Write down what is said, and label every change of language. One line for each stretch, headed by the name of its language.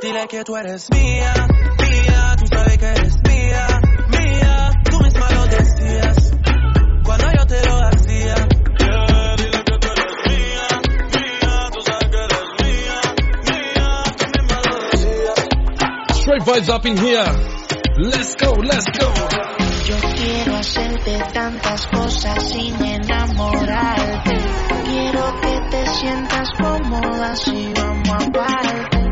Spanish: Que tú eres mía, mía, tú sabes que eres mía, mía, tú misma lo decías, cuando yo te lo hacía, yeah, dile que tú eres mía, mía, tú sabes que eres mía, mía, tú misma lo decías.
English: Straight vibes up in here, let's go, let's go.
Spanish: Yo quiero hacerte tantas cosas sin enamorarte, quiero que te sientas cómoda si vamos a parar.